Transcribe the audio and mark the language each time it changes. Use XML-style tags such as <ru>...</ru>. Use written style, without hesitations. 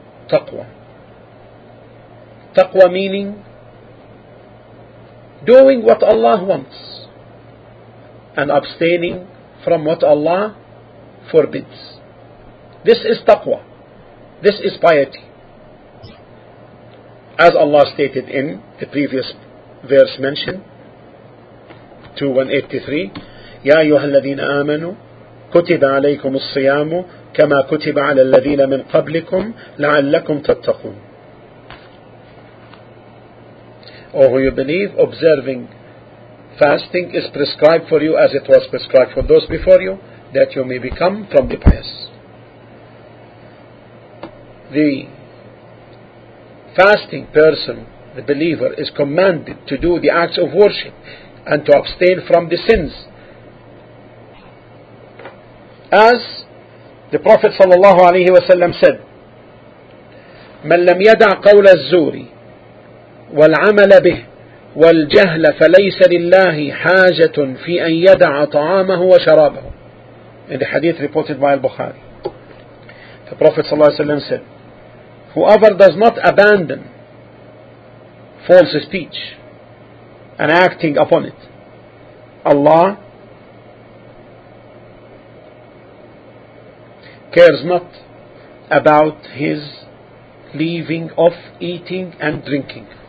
<en>Taqwa. Taqwa meaning doing what Allah wants and abstaining from what Allah forbids. This is taqwa. This is piety. As Allah stated in the previous verse mentioned, 2:183,</en> <ar>يَا أَيُّهَا الَّذِينَ آمَنُوا كُتِبَ عَلَيْكُمُ الصِّيَامُ كَمَا كُتِبَ عَلَى الَّذِينَ مِنْ قَبْلِكُمْ لَعَلَّكُمْ تَتَّقُونَ.</ar> <en>Oh, you believe, observing fasting is prescribed for you as it was prescribed for those before you, that you may become from the pious. The fasting person, the believer, is commanded to do the acts of worship and to abstain from the sins. As the Prophet sallallahu alaihi wasallam said,</en> <ar>مَنْ لَمْ يَدَعْ قَوْلَ الزُّورِ وَالْعَمَلَ بِهِ وَالْجَهْلَ فَلَيْسَ لِلَّهِ حَاجَةٌ فِي أَنْ يَدَعَ طَعَامَهُ وَشَرَابَهُ.</ar> <en>In the hadith reported by Al-Bukhari, the Prophet sallallahu alaihi wasallam said, whoever does not abandon false speech and acting upon it, Allah cares not about his leaving off eating and drinking.</en>